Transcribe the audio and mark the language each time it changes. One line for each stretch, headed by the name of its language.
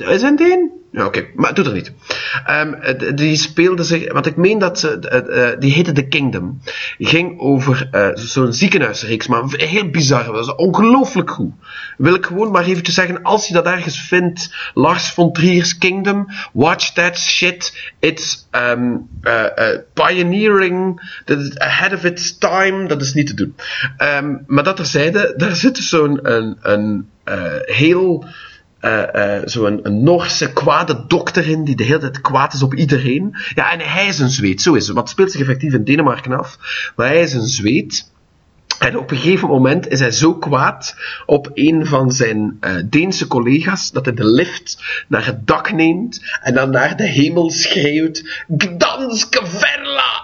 Dutch: Is een Deen? Ja, oké, maar doe er niet. Die speelde zich, want ik meen dat ze, die heette The Kingdom. Ging over zo'n ziekenhuisreeks, maar heel bizar. Dat was ongelooflijk goed. Wil ik gewoon maar eventjes zeggen, als je dat ergens vindt, Lars von Trier's Kingdom,
English: watch that shit. It's pioneering, that is ahead of its time,
Dutch: dat is niet te doen. Maar dat terzijde, daar zit zo'n een Noorse kwade dokter in die de hele tijd kwaad is op iedereen. Ja, en hij is een Zweed, zo is het. Want het speelt zich effectief in Denemarken af. Maar hij is een Zweed. En op een gegeven moment is hij zo kwaad op een van zijn Deense collega's dat hij de lift naar het dak neemt en dan naar de hemel schreeuwt Gdanske Verla!